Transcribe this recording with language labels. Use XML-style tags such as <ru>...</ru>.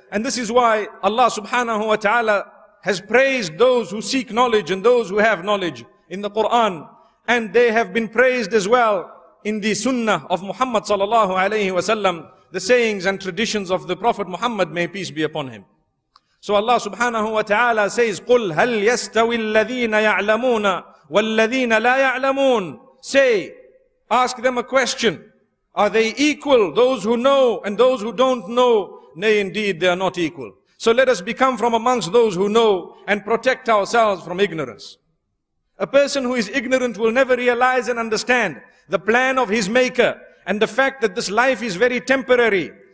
<en>And this is why Allah subhanahu wa ta'ala has praised those who seek knowledge and those who have knowledge in the Quran. And they have been praised as well in the sunnah of Muhammad sallallahu alayhi wa sallam, the sayings and traditions of the Prophet Muhammad, may peace be upon him. So Allah subhanahu wa ta'ala says,</en> <ar>قُلْ هَلْ يَسْتَوِي الَّذِينَ يَعْلَمُونَ وَالَّذِينَ لَا يَعْلَمُونَ.</ar> <en>Say, ask them a question. Are they equal, those who know and those who don't know? Nay, indeed, they are not equal. So let us become from amongst those who know and protect ourselves from ignorance. A person who is ignorant will never realize and understand the plan of his maker and the fact that this life is very temporary.</en>